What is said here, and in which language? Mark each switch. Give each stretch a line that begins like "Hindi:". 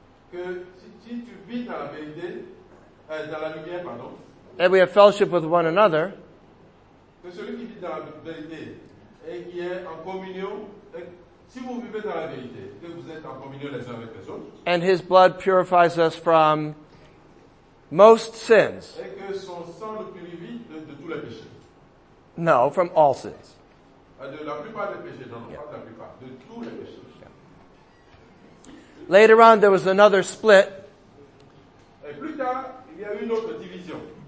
French: que si tu vis dans la vérité, dans la lumière, pardon.
English: And we have fellowship with one another.
French: Que celui qui vit dans la vérité et qui est en communion. Si vous vivez dans la vérité, que vous êtes en communion les uns avec les autres.
English: And his blood purifies us from most sins.
French: Et que son sang nous purifie de tous les péchés.
English: No, from all sins.
French: De la plupart des péchés, non, yeah. Pas de la plupart, de tous les péchés.
English: Later on, there was another split.
French: Et plus tard, il y a une autre division.